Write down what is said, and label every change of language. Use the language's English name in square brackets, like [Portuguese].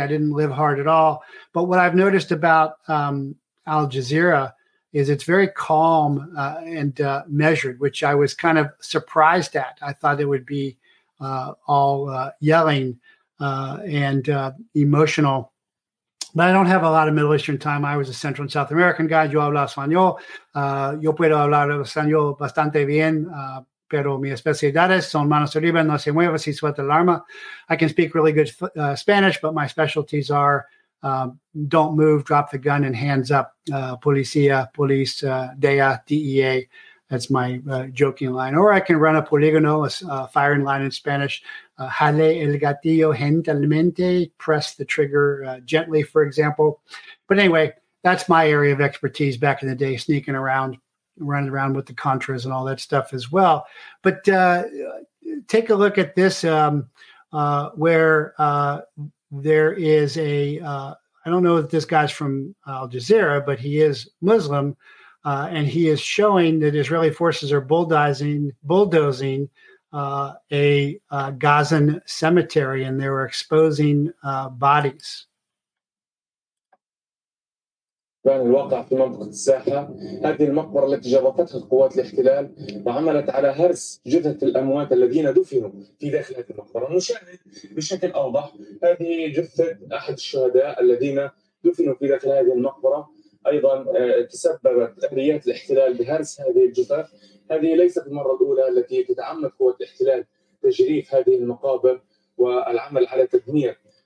[English] I didn't live hard at all. But what I've noticed about Al Jazeera is it's very calm and measured, which I was kind of surprised at. I thought it would be all yelling and emotional. But I don't have a lot of Middle Eastern time. I was a Central and South American guy. [Spanish] Yo hablo español. Yo puedo hablar español bastante bien, pero mis especialidades son manos arriba, no se mueva si suelta el arma. [English] I can speak really good Spanish, but my specialties are don't move, drop the gun, and hands up. Policía, police, DEA, DEA. That's my joking line. Or I can run a polígono, a firing line in Spanish. [Spanish] Jale el gatillo gentilmente, [English] press the trigger gently, for example. But anyway, that's my area of expertise back in the day, sneaking around, running around with the Contras and all that stuff as well. But take a look at this where there is a, I don't know if this guy's from Al Jazeera, but he is Muslim, and he is showing that Israeli forces are bulldozing a Gazan cemetery, and they were exposing bodies. [Arabic] كان الواقع في منطقة الساحة هذه المقبرة التي جرفتها قوات الاحتلال وعملت على هرس جثث الأموات الذين دفنوا في داخل هذه المقبرة نشاهد بشكل أوضح هذه جثة أحد الشهداء الذين دفنوا في داخل هذه المقبرة أيضا تسببت آليات الاحتلال بهرس هذه الجثث هذه ليست المرة الأولى التي تتعمد قوات الاحتلال تجريف هذه المقابر والعمل على تدمير